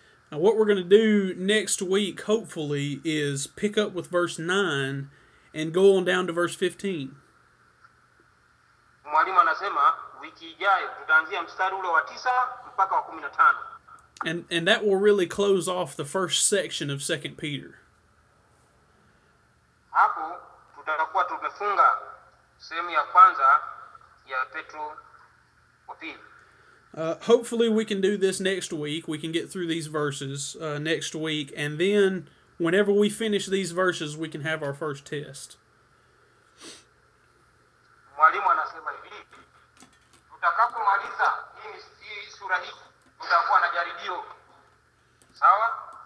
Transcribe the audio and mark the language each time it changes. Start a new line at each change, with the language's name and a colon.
English: Now what we're going to do next week, hopefully, is pick up with verse 9 and go on down to verse 15.
Swahili: Mwalimu anasema wiki ijayo tutaanzia mstari ule wa 9 mpaka wa 15.
English: And that will really close off the first section of 2 Peter.
Swahili: Hapo tutakuwa tumefunga sehemu ya kwanza ya Petro wa pili.
English: Hopefully we can do this next week. We can get through these verses next week. And then, whenever we finish these verses, we can have our first test.
Swahili: Mwalimu anasema hivi, tutakapomaliza hii sura hii, tutakuwa na jaribio. Sawa?